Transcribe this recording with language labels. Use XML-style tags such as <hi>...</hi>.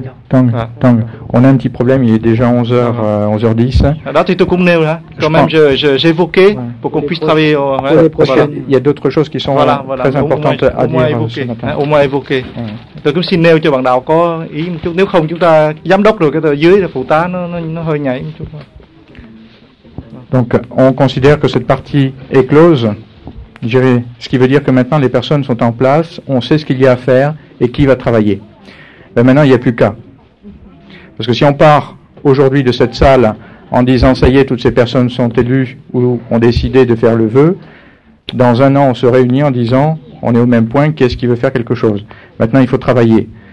<fr>On a un petit problème, il est déjà 11h, 11h10. Là, tu te connais, hein? Quand même, j'évoquais pour qu'on puisse travailler. Parce qu'il y a d'autres choses qui sont très importantes à dire. Au moins évoquer.</fr> <vi>Tôi cũng xin nêu cho bạn đạo có ý một chút. Nếu không, chúng ta giám đốc rồi, cái tờ dưới là phụ tá, nó hơi nhảy một chút.</vi> <fr>Donc, on considère que cette partie est close. Ce qui veut dire que maintenant les personnes sont en place, on sait ce qu'il y a à faire et qui va travailler. Ben maintenant, il n'y a plus qu'à. Parce que si on part aujourd'hui de cette salle en disant « ça y est, toutes ces personnes sont élues ou ont décidé de faire le vœu », dans un an, on se réunit en disant « on est au même point, qui est-ce qui veut faire quelque chose ?» Maintenant, il faut travailler.</fr>